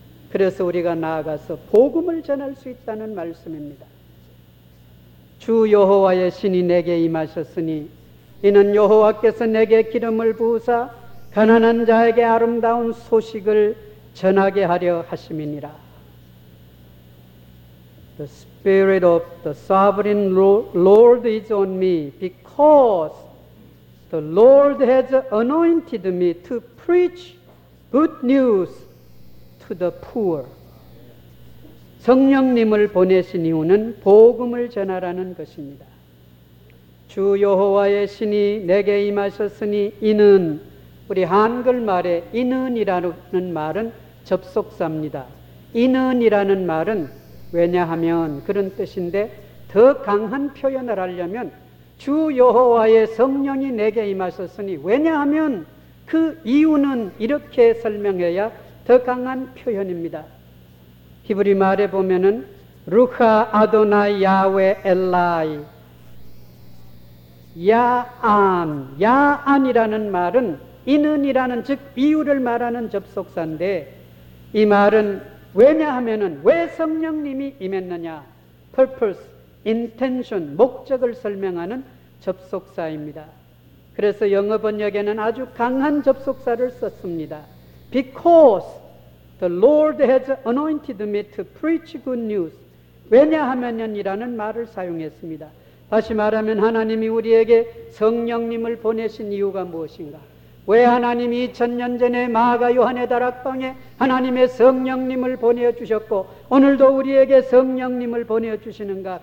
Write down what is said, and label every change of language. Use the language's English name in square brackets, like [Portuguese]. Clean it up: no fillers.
[Korean] 그래서 우리가 나아가서 복음을 전할 수 있다는 말씀입니다. 주 여호와의 신이 내게 임하셨으니 이는 여호와께서 내게 기름을 부으사 가난한 자에게 아름다운 소식을 전하게 하려 하심이니라. [English] The Spirit of the Sovereign Lord is on me because the Lord has anointed me to preach good news to the poor. [Korean] 성령님을 보내신 이유는 복음을 전하라는 것입니다. 주 여호와의 신이 내게 임하셨으니 이는 우리 한글말에 이는이라는 말은 접속사입니다. 이는이라는 말은 왜냐하면 그런 뜻인데 더 강한 표현을 하려면 주 여호와의 성령이 내게 임하셨으니 왜냐하면 그 이유는 이렇게 설명해야 더 강한 표현입니다. 히브리 말에 보면은 루카 아도나이 야웨 엘라이 야안, 야안이라는 말은 이는이라는 즉 비유를 말하는 접속사인데 이 말은 왜냐하면은 왜 성령님이 임했느냐 [English] purpose, intention, [Korean] 목적을 설명하는 접속사입니다. 그래서 영어 번역에는 아주 강한 접속사를 썼습니다. [English] Because the Lord has anointed me to preach good news. [Korean] 왜냐하면이라는 말을 사용했습니다. 다시 말하면 하나님이 우리에게 성령님을 보내신 이유가 무엇인가? 왜 하나님이 2000년 전에 마가 요한의 다락방에 하나님의 성령님을 보내주셨고 오늘도 우리에게 성령님을 보내주시는가?